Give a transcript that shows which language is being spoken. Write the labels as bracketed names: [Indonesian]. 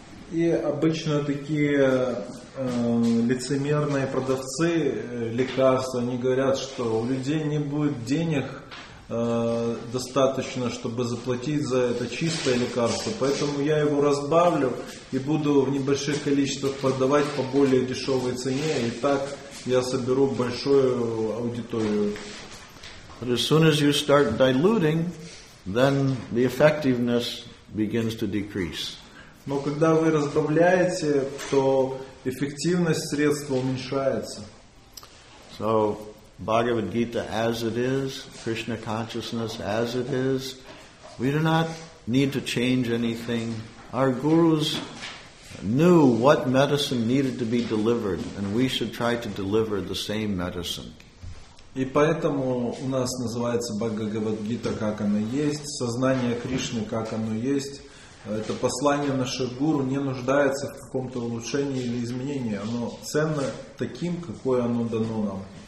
[Russian] И обычно такие лицемерные продавцы лекарств, они говорят, что у людей не будет денег достаточно, чтобы заплатить за это чистое лекарство. Поэтому я его разбавлю и буду в небольших количествах продавать по более дешевой цене. И так я соберу большую аудиторию. [English] But as soon as you start diluting, then the effectiveness begins to decrease. [Russian] Но когда вы разбавляете, то эффективность средства уменьшается. [English] So Bhagavad Gita as it is, Krishna consciousness as it is, we do not need to change anything. Our gurus knew what medicine needed to be delivered, and we should try to deliver the same medicine. [Russian] И поэтому у нас называется Бхагавад-гита, как она есть, сознание Кришны, как оно есть. Это послание наших гуру не нуждается в каком-то улучшении или изменении. Оно ценно таким, какое оно дано нам.